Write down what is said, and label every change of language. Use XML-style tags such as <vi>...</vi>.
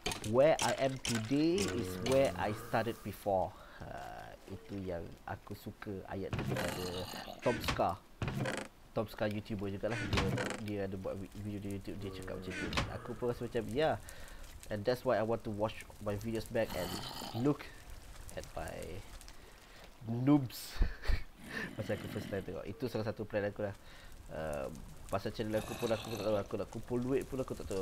<en>Where I am today is where I started before.</en> <ms>Itu yang aku suka ayat tu daripada Tom Scar. Tom Scar YouTuber jugalah. Dia ada buat video di YouTube. Dia cakap macam tu. Dan aku pun rasa macam,</ms> <en>yeah. And that's why I want to watch my videos back and look at my noobs.</en> <ms>Pasal aku first time tengok. Itu salah satu plan aku lah. Pasal channel aku pun aku tak tahu. Aku nak kumpul duit pun aku tak tahu.</ms>